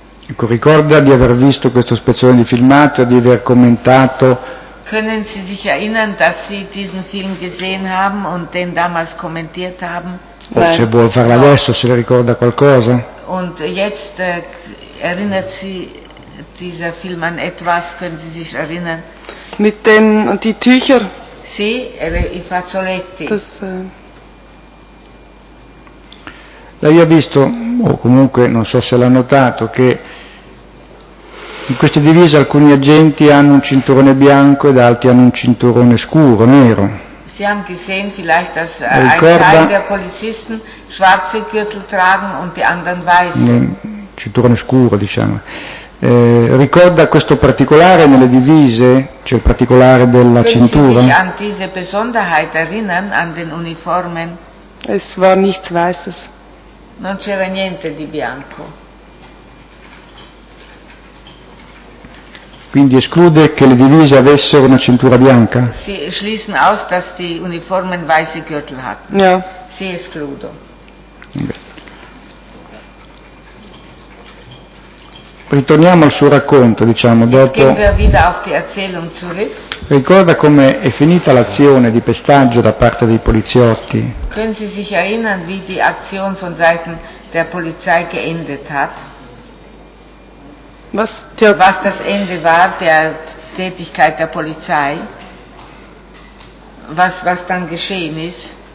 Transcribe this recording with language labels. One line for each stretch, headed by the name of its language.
Italian: Ecco, ricorda di aver visto questo spezzone di filmato e di aver commentato.
German: Können Sie sich erinnern, dass Sie diesen Film gesehen haben und den damals kommentiert haben?
Italian: O se vuole farlo adesso, se le ricorda qualcosa.
German: Und jetzt erinnert Sie dieser Film an etwas, können Sie sich erinnern? Mit den die Tücher?
Italian: Sì, i fazzoletti.
German: Das,
Italian: Lei ha visto, o comunque non so se l'ha notato, che in queste divise alcuni agenti hanno un cinturone bianco ed altri hanno un cinturone scuro, nero.
German: Sie haben gesehen, vielleicht, dass ein Teil der Polizisten schwarze Gürtel tragen und die anderen weiße.
Italian: Cinturone scuro, diciamo. Ricorda questo particolare nelle divise, cioè il particolare della cintura?
German: Können Sie sich an diese Besonderheit erinnern, an den Uniformen? Es war nichts Weißes.
Italian: Non c'era niente di bianco. Quindi esclude che le divise avessero una cintura bianca?
German: Sì, schließen aus, dass die Uniformen weiße Gürtel hatten. Ja.
Italian: Sì, escludo. Ritorniamo al suo racconto, diciamo, dopo.
German: Jetzt gehen wir wieder auf die Erzählung zurück.
Italian: Ricorda come è finita l'azione di pestaggio da parte dei poliziotti?
German: Können Sie sich erinnern, wie die Aktion von Seiten der Polizei geendet hat? Was das Ende war der Tätigkeit der Polizei? Was dann geschehen ist?